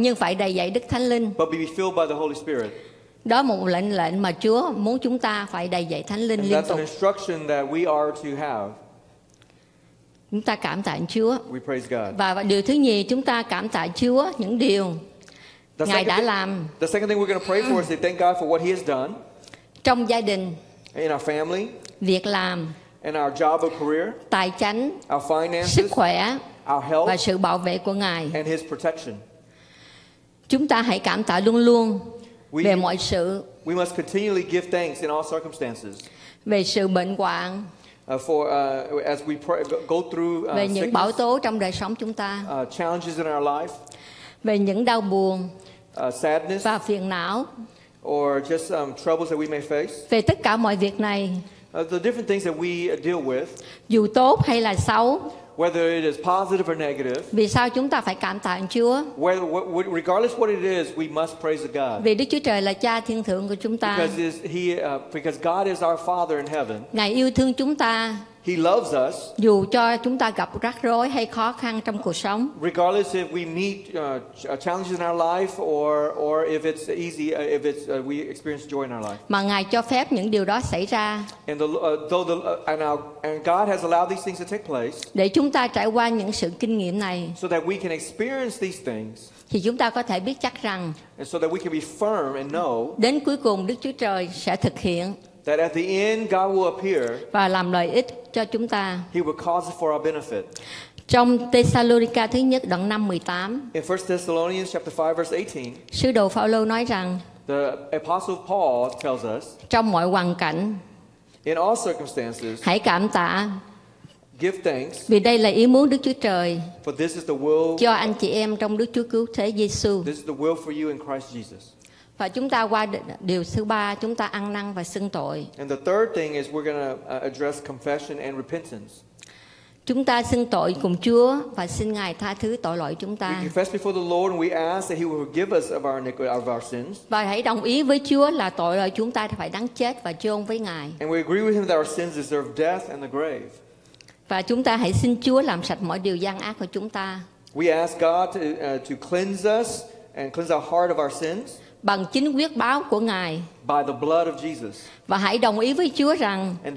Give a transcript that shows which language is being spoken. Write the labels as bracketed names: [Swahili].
[Vietnamese] Nhưng phải đầy dậy Đức Thánh Linh. [English] But be filled by the Holy Spirit. [Vietnamese] Đó là một lệnh mà Chúa muốn chúng ta phải đầy dậy Thánh Linh [English] and [Vietnamese] liên tục. [English] That's an instruction that we are to have. [Vietnamese] Chúng ta cảm tạ Chúa. [English] We praise God. [Vietnamese] Và điều thứ nhì chúng ta cảm tạ Chúa những điều Ngài đã làm. [English] The second thing we're going to pray for is to thank God for what He has done. [Vietnamese] Trong gia đình. [English] In our family. [Vietnamese] Việc làm. [English] In our job or career. [Vietnamese] Tài chánh. [English] Our finances. [Vietnamese] Sức khỏe. [English] Our health. [Vietnamese] Và sự bảo vệ của Ngài. [English] And His protection. [Vietnamese] Chúng ta hãy cảm tạ luôn luôn về mọi sự. [English] We must continually give thanks in all circumstances. [Vietnamese] Về sự bệnh hoạn. [English] As we pray, go through. [Vietnamese] Về những bão tố trong đời sống chúng ta. [English] Challenges in our life. [Vietnamese] Về những đau buồn [English] sadness, [Vietnamese] và phiền não [English] or just, troubles that we may face. [Vietnamese] Về tất cả mọi việc này [English] the different things that we deal with, [Vietnamese] dù tốt hay là xấu. [English] Whether it is positive or negative. [Vietnamese] Vì sao chúng ta phải cảm tạ Chúa? [English] Regardless what it is, we must praise God. [Vietnamese] Vì Đức Chúa Trời là Cha thiên thượng của chúng ta. [English] Because God is our Father in heaven. [Vietnamese] Ngài yêu thương chúng ta [English] He loves us. [Vietnamese] Dù cho chúng ta gặp rắc rối hay khó khăn trong cuộc sống. [English] Regardless if we meet challenges in our life or if it's easy, if it's we experience joy in our life. [Vietnamese] Mà Ngài cho phép những điều đó xảy ra. [English] And the, though the and our, and God has allowed these things to take place. [Vietnamese] Để chúng ta trải qua những sự kinh nghiệm này. [English] So that we can experience these things. [Vietnamese] Thì chúng ta có thể biết chắc rằng. [English] And so that we can be firm and know. [Vietnamese] Đến cuối cùng Đức Chúa Trời sẽ thực hiện. [English] That at the end God will appear. [Vietnamese] Và làm lợi ích cho chúng ta. [English] He will cause it for our benefit. [Vietnamese] Trong Tê-sa-lô-ri-ca thứ nhất đoạn 5:18. [English] In 1 Thessalonians chapter 5 verse 18. [Vietnamese] Sứ đồ Phao-lô nói rằng. [English] The apostle Paul tells us. [Vietnamese] Trong mọi hoàn cảnh. [English] In all circumstances. [Vietnamese] Hãy cảm tạ. [English] Give thanks. [Vietnamese] Vì đây là ý muốn Đức Chúa Trời. [English] For this is the will. [Vietnamese] Cho anh chị em trong Đức Chúa Cứu Thế Giê-su. [English] This is the will for you in Christ Jesus. [Vietnamese] Và chúng ta qua điều thứ ba, chúng ta ăn năn và xưng tội. [English] And the third thing is we're going to address confession and repentance. [Vietnamese] Chúng ta xưng tội cùng Chúa và xin Ngài tha thứ tội lỗi chúng ta. [English] We confess before the Lord and we ask that He will forgive us of our sins. [Vietnamese] Và hãy đồng ý với Chúa là tội lỗi chúng ta phải đáng chết và chôn với Ngài. [English] And we agree with Him that our sins deserve death and the grave. [Vietnamese] Và chúng ta hãy xin Chúa làm sạch mọi điều gian ác của chúng ta. [English] We ask God to cleanse us and cleanse our heart of our sins. [Vietnamese] Bằng chính huyết báo của Ngài. [English] By the blood of Jesus. [Vietnamese] Và hãy đồng ý với Chúa rằng